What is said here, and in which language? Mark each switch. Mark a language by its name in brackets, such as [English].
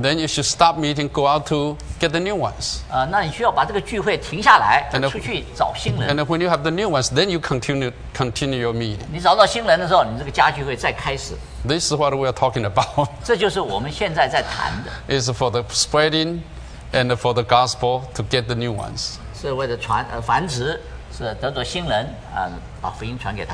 [English] then you should stop meeting, go out to get the new ones. [Chinese] 那你需要把这个聚会停下来，出去找新人。 [English] And when you have the new ones, then you continue your meeting. [Chinese] 你找到新人的时候，你这个家聚会再开始。 [English] This is what we are talking about. [Chinese] 这就是我们现在在谈的。 [English] It's for the spreading. And for the gospel to get the new ones. [Chinese] 是为了繁殖，是得着新人，把福音传给他。